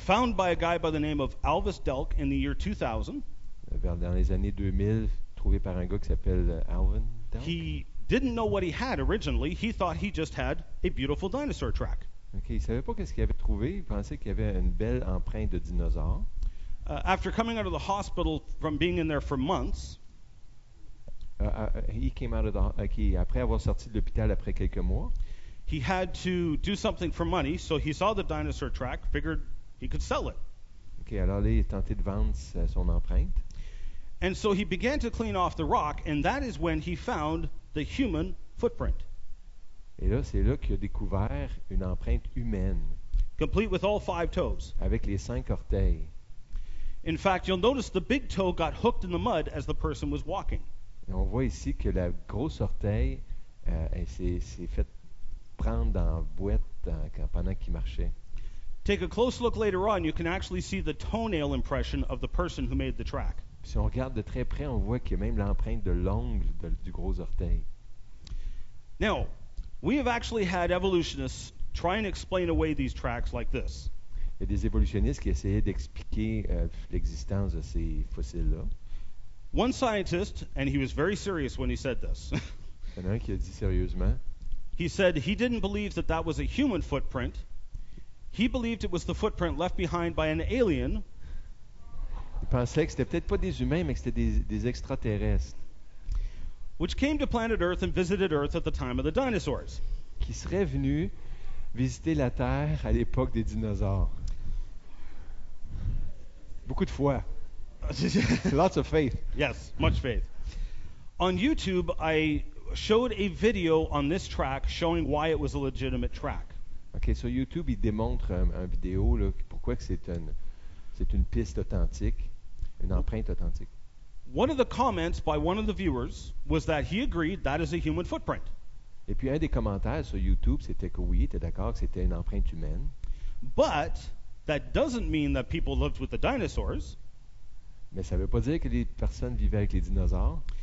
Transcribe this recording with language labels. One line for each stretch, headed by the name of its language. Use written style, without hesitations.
English: Found by a guy by the name of Alvis Delk in the year 2000.
French: Dans les années 2000, trouvé par un gars qui s'appelle Alvin Delk.
English: He didn't know what he had originally. He thought he just had a beautiful dinosaur track.
French: OK, il savait pas qu'est-ce qu'il avait trouvé. Il pensait qu'il y avait une belle empreinte de dinosaure.
English: After coming out of the hospital from being in there for months, he came out of the
French: après avoir sorti de l'hôpital après quelques mois,
English: he had to do something for money, so he saw the dinosaur track, figured he could sell it.
French: OK, alors là, il a tenté de vendre son empreinte.
English: And so he began to clean off the rock, and that is when he found the human footprint.
French: Et là, c'est là qu'il a découvert une empreinte humaine.
English: Complete with all 5 toes.
French: Avec les 5 orteils.
English: In fact, you'll notice the big toe got hooked in the mud as the person was walking.
French: Et on voit ici que la grosse orteil s'est fait prendre dans la boîte pendant qu'il marchait.
English: Take a close look later on, you can actually see the toenail impression of the person who made the track.
French: Si on regarde de très près, on voit qu'il y a même l'empreinte de l'ongle du gros orteil.
English: Now, we have actually had evolutionists try and explain away these tracks like this.
French: Il y a des évolutionnistes qui essayaient d'expliquer l'existence de ces fossiles-là.
English: One scientist, and he was very serious when he said this.
French: Il y en a un qui a dit sérieusement.
English: He said he didn't believe that was a human footprint. He believed it was the footprint left behind by an alien.
French: Il pensait que c'était peut-être pas des humains, mais que c'était des extraterrestres.
English: Which came to planet Earth and visited Earth at the time of the dinosaurs.
French: Qui serait venu visiter la Terre à l'époque des dinosaures. Beaucoup de foi.
English: Lots of faith. Yes, much faith. On YouTube, I showed a video on this track showing why it was a legitimate track.
French: OK, sur YouTube, il démontre un vidéo là, pourquoi que c'est une piste authentique, une empreinte authentique.
English: One of the comments by one of the viewers was that he agreed that is a human footprint.
French: Et puis un des commentaires sur YouTube, c'était que oui, il était d'accord que c'était une empreinte humaine.
English: But that doesn't mean that people lived with the dinosaurs.
French: Mais ça veut pas dire que les personnes vivaient avec les dinosaures.